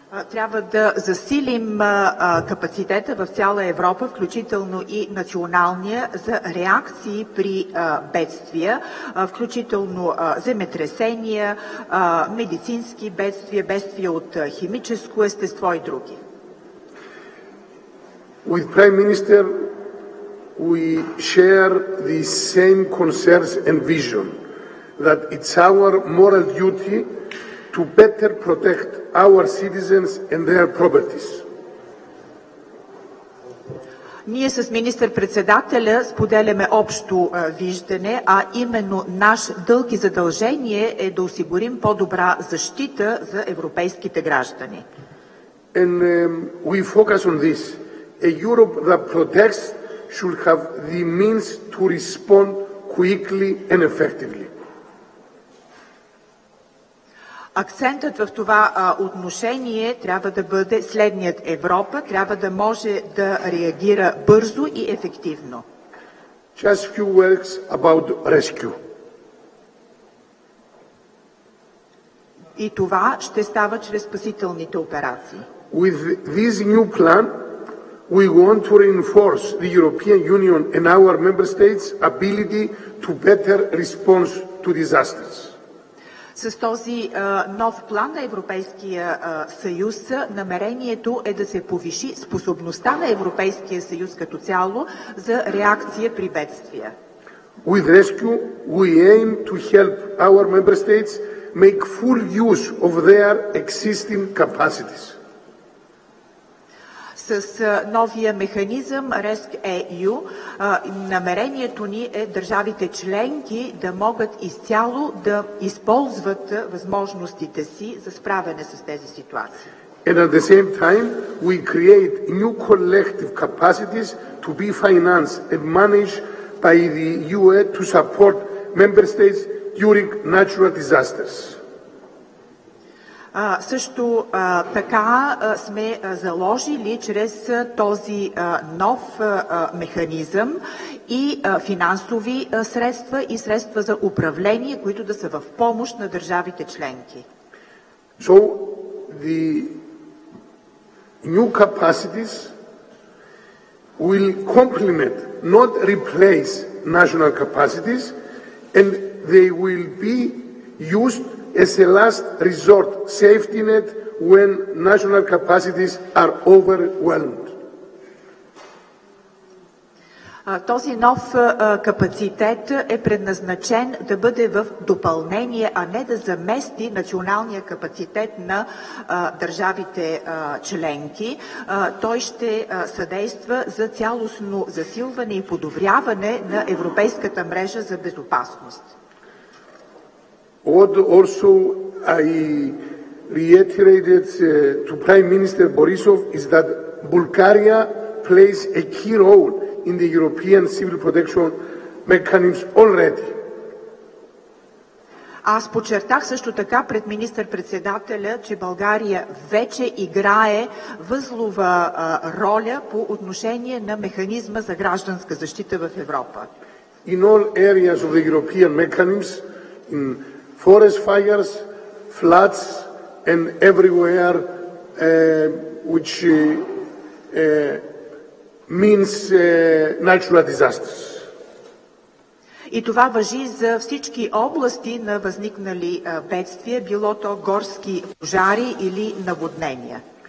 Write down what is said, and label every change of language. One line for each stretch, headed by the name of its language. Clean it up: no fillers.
Bulgarian: Трябва да засилим капацитета в цяла Европа, включително и националния, за реакции при бедствия, включително земетресения, медицински бедствия, бедствия от химическо естество и други.
English: With Prime Minister, we share the same concerns and vision that it's our moral duty to better protect our citizens and their properties.
Bulgarian: Ние с министър-председателя споделяме общо виждане, а именно наш дълг и задължение е да осигурим по-добра защита за европейските граждани.
English: And we focus on this. A Europe that protects should have the means to respond quickly and effectively.
Bulgarian: Акцентът в това отношение трябва да бъде следният. Европа трябва да може да реагира бързо и ефективно.
English: Just few words about rescue.
Bulgarian: И това ще става чрез спасителните операции.
English: With this new plan, we want to reinforce the European Union and our member states' ability to better respond to disasters.
Bulgarian: С този нов план на Европейския съюз намерението е да се повиши способността на Европейския съюз като цяло за реакция при бедствия.
English: With rescue, we aim to help our member states make full use of their existing capacities.
Bulgarian: С новия механизъм RescEU намерението ни е държавите членки да могат изцяло да използват възможностите си за справяне с тези ситуации.
English: And at the same time, we create new collective capacities to be financed and managed by the UE to support member states during natural disasters.
Bulgarian: Също така сме заложили чрез този нов механизъм и финансови средства и средства за управление, които да са в помощ на държавите членки.
English: So, the new capacities will complement, not replace national capacities, and they will be used as a last resort safety net when national capacities are overwhelmed.
Bulgarian: Този нов капацитет е предназначен да бъде в допълнение, а не да замести националния капацитет на държавите членки. Той ще съдейства за цялостно засилване и подобряване на Европейската мрежа за безопасност.
English: What also I reiterated to Prime Minister Borisov is that Bulgaria plays a key role in the European civil protection mechanisms already.
Bulgarian: Аз подчертах също така пред министър-председателя, че България вече играе възлова роля по отношение на механизма за гражданска защита в Европа.
English: In all areas of the European mechanisms, in forest fires, floods and everywhere which means natural disasters.
Bulgarian: И това важи за всички области на възникнали бедствия, било то горски пожари или наводнения.